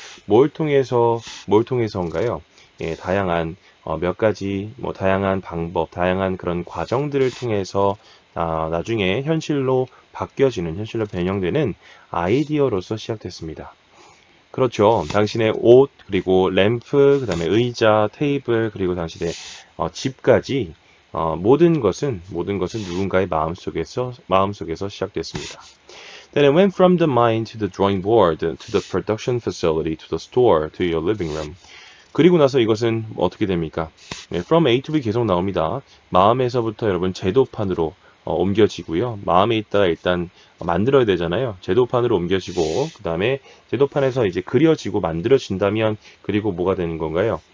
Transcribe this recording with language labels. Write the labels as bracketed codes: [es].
[ko] 뭘 통해서인가요? 예, 다양한 몇 가지 뭐 다양한 방법, 다양한 그런 과정들을 통해서 나중에 현실로 바뀌어지는, 현실로 변형되는 아이디어로서 시작됐습니다. 그렇죠. 당신의 옷, 그리고 램프, 그 다음에 의자, 테이블, 그리고 당신의 집까지 모든 것은 누군가의 마음속에서 시작됐습니다. [en] Then it went from the mind to the drawing board, to the production facility, to the store, to your living room. [ko] 그리고 나서 이것은 어떻게 됩니까? [en] From A to B [ko] 계속 나옵니다. 마음에서부터 여러분 제도판으로 옮겨지고요. 마음에 있다가 일단 만들어야 되잖아요. 제도판으로 옮겨지고, 그 다음에 제도판에서 이제 그려지고 만들어진다면, 그리고 뭐가 되는 건가요?